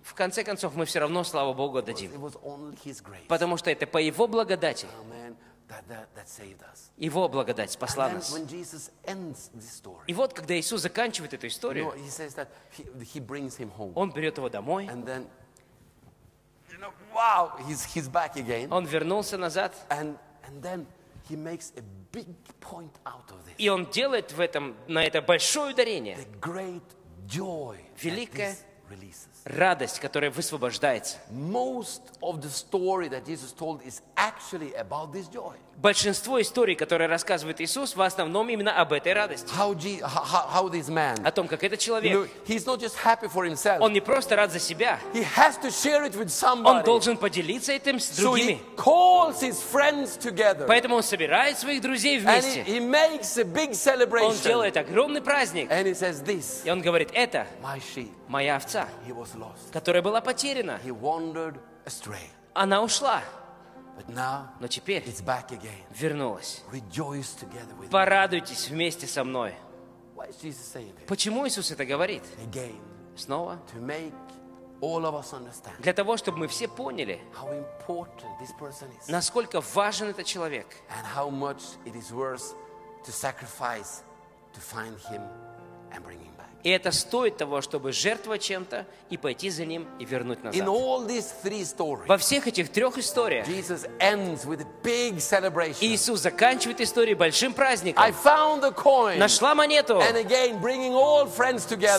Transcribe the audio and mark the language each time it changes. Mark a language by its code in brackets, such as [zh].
[ru] В конце концов мы все равно славу Богу отдадим. [en] It was only his grace. [ru] Потому что это по его благодати. [en] Amen. That saved us. [ru] Его благодать спасла [en] then, [ru] нас. [en] When Jesus ends this story, [ru] и вот, когда Иисус заканчивает эту историю, [en] you know, he says that he brings him home. [ru] Он берет его домой. [en] And then, you know, wow, he's back again. [ru] Он вернулся назад. [en] And then he makes a big point out of this. [ru] И он делает в этом, на это большое ударение. [en] The great [ru] великая радость, которая высвобождается. Большинство историй, которые рассказывает Иисус, в основном именно об этой радости. [en] How this man, [ru] о том, как этот человек. [en] You know, he's not just happy for himself. [ru] Он не просто рад за себя. [en] He has to share it with somebody. [ru] Он должен поделиться этим с другими. [en] So he calls his friends together. [ru] Поэтому он собирает своих друзей вместе. [en] And he makes a big celebration. [ru] Он делает огромный праздник. [en] And he says this, [ru] и он говорит, это [en] my sheep, [ru] моя овца, [en] he was lost, [ru] которая была потеряна. [en] He wandered astray. [ru] Она ушла. [en] But now, [ru] но теперь [en] it's back again. [ru] Вернулась. [en] Rejoice together with [ru] порадуйтесь вместе со мной. [en] Why is Jesus saying this? [ru] Почему Иисус это говорит? [en] Again, [ru] снова. [en] To make all of us understand, [ru] для того, чтобы мы все поняли, [en] how important this person is, [ru] насколько важен этот человек. [en] And how much it is worth to sacrifice to find him and bring him back. [ru] И это стоит того, чтобы жертвовать чем-то и пойти за ним и вернуть назад. [en] In all these three stories, [ru] во всех этих трех историях [en] Jesus ends with a big celebration. [ru] Иисус заканчивает историю большим праздником. [en] I found the coin, [ru] нашла монету. [en] And again, bringing all friends together,